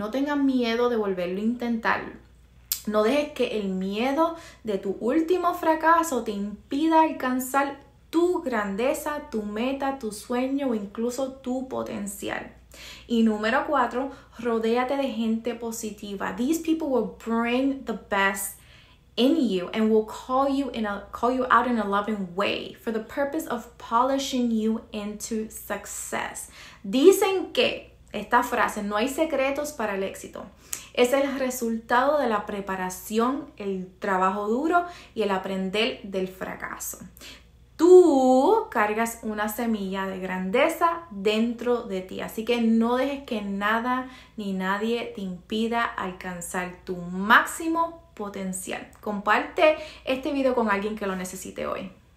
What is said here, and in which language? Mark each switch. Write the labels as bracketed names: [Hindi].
[Spanish] No tengas miedo de volverlo a intentar. No dejes que el miedo de tu último fracaso te impida alcanzar tu grandeza, tu meta, tu sueño o incluso tu potencial. Y número cuatro, rodéate de gente positiva. [English] These people will bring the best in you and will call you out in a loving way for the purpose of polishing you into success. [Spanish] Dicen que esta frase, no hay secretos para el éxito, es el resultado de la preparación, el trabajo duro y el aprender del fracaso. Tú cargas una semilla de grandeza dentro de ti, así que no dejes que nada ni nadie te impida alcanzar tu máximo potencial. Comparte este video con alguien que lo necesite hoy.